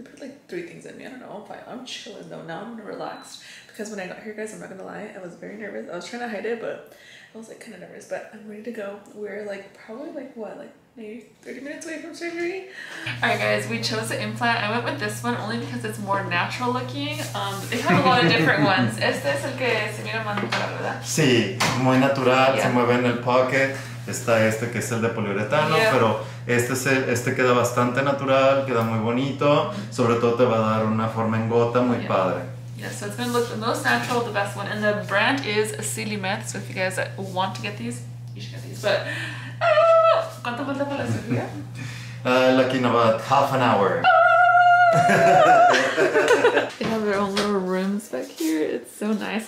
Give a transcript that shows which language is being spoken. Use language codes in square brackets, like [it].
[en] They put like 3 things in me. I don't know. I'm fine. I'm chilling though. Now I'm relaxed. Because when I got here, guys, I'm not gonna lie, I was very nervous. I was trying to hide it, but I was like kind of nervous. But I'm ready to go. We're like probably like what, like maybe 30 minutes away from surgery. Alright guys, we chose the implant. I went with this one only because it's more natural looking. They have a lot of different ones. [es] Este es el que se mira más natural, ¿verdad? Sí, muy natural, yeah. Se mueve en el pocket. Está este que es el de poliuretano, yeah. Pero este queda bastante natural, queda muy bonito. Sobre todo te va a dar una forma en gota muy, yeah, padre. [en] Yeah, so it's going to look the most natural, the best one. And the brand is Silimet, so if you guys want to get these, you should get these. [es] But, ¿cuánto falta para la cirugía? [en] Like in about half an hour. They have their own little rooms back here. It's so nice.